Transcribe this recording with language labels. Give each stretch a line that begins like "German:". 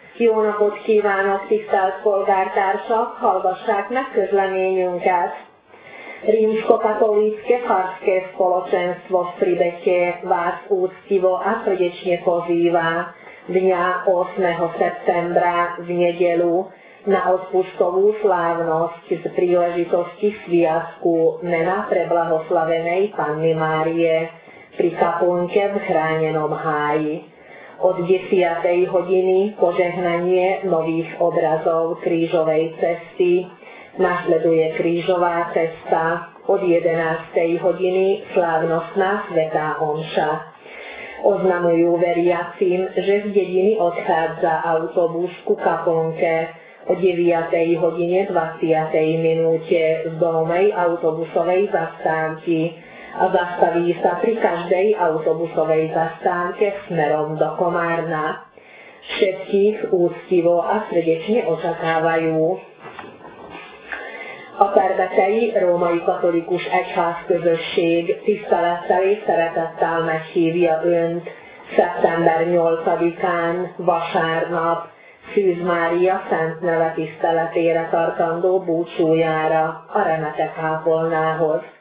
Hungarian: Jóna podkívánok tisztelt polgártársak, hallgassák meg közleményünket.
Slovak: Rímsko-katolícke farské spoločenstvo v Pribeke vás úctivo a srdečne pozýva dňa 8. septembra v nedelu na odpustovú slávnosť z príležitosti sviatku mena preblahoslavenej Panny Márie pri kaplnke v chránenom háji. Od 10. hodiny požehnanie nových obrazov krížovej cesty. Nasleduje krížová cesta. Od 11. hodiny slávnostná svätá omša. Oznamujú veriacim, že z dediny odchádza autobus ku kaplnke o 9. hodine 20. minúte z domovej autobusovej zastávky a zastaví sa pri každej autobusovej zastávke smerom do Komárna. Všetkých úctivo a srdečne očakávajú.
Hungarian: A Perbekei Római Katolikus Egyház közösség tisztelettel és szeretettel meghívja Önt szeptember 8-án, vasárnap, Szűz Mária szent neve tiszteletére tartandó búcsújára a Remete kápolnához.